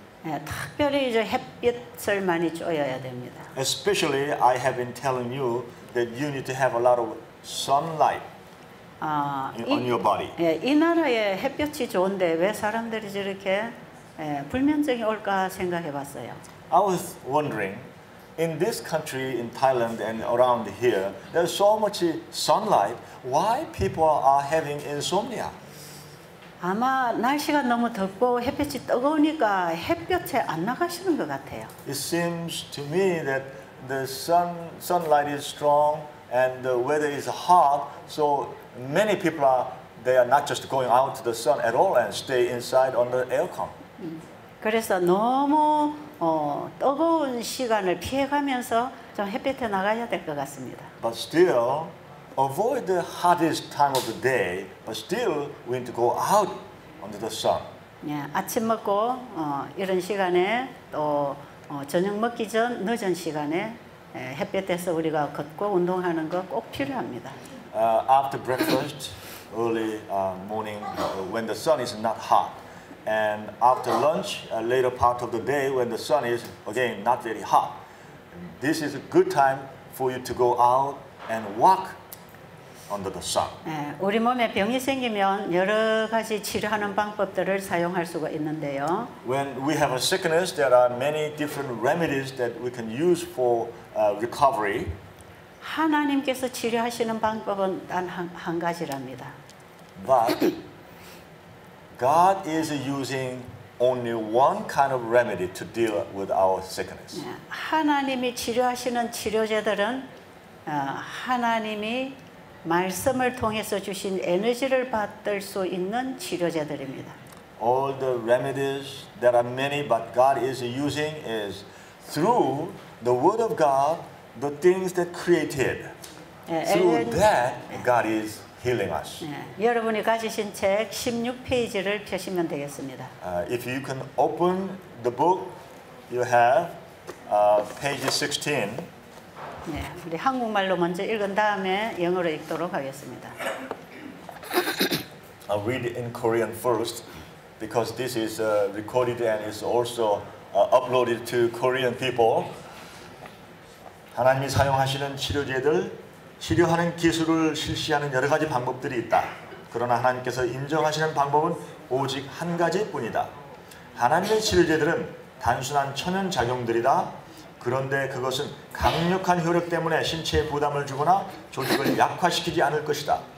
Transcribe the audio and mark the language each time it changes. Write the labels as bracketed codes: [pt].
[ko] 예, 특별히 이제 햇빛을 많이 쬐어야 됩니다. [en] Especially, I have been telling you that you need to have a lot of sunlight on your body. [ko] 예, 이 나라에 햇볕이 좋은데 왜 사람들이 저렇게 예, 불면증이 올까 생각해봤어요. [en] I was wondering, in this country, in Thailand and around here, there's so much sunlight. Why people are having insomnia? [ko] 아마 날씨가 너무 덥고 햇볕이 뜨거우니까 햇볕에 안 나가시는 것 같아요. [en] It seems to me that the sunlight is strong and the weather is hot, so many people are not just going out to the sun at all and stay inside on the aircon. [ko] 그래서 너무 뜨거운 시간을 피해가면서 좀 햇볕에 나가야 될 것 같습니다. [en] But still, avoid the hottest time of the day, but still we need to go out under the sun. [ko] 예, 아침 먹고 이런 시간에 또 저녁 먹기 전 늦은 시간에 예, 햇볕에서 우리가 걷고 운동하는 거 꼭 필요합니다. [en] After breakfast, early morning, when the sun is not hot, and after lunch, later part of the day, when the sun is again not very hot, this is a good time for you to go out and walk. Under the sun. [ko] 우리 몸에 병이 생기면 여러 가지 치료하는 방법들을 사용할 수가 있는데요. [en] When we have a sickness, there are many different remedies that we can use for recovery. [ko] 하나님께서 치료하시는 방법은 단 한 가지랍니다. [en] But God is using only one kind of remedy to deal with our sickness. [ko] 하나님이 치료하시는 치료제들은 하나님이 말씀을 통해서 주신 에너지를 받을 수 있는 치료제들입니다. [en] All the remedies, there are many, but God is using is through the Word of God, the things that created. Through that, God is healing us. [ko] 여러분이 가지신 책 16페이지를 펴시면 되겠습니다. [en] If you can open the book, you have page 16. [ko] 네, 우리 한국말로 먼저 읽은 다음에 영어로 읽도록 하겠습니다. [en] I'll read in Korean first because this is recorded and is also uploaded to Korean people. [ko] 하나님이 사용하시는 치료제들, 치료하는 기술을 실시하는 여러 가지 방법들이 있다. 그러나 하나님께서 인정하시는 방법은 오직 한 가지뿐이다. 하나님의 치료제들은 단순한 천연작용들이다. 그런데 그것은 강력한 효력 때문에 신체에 부담을 주거나 조직을 약화시키지 않을 것이다.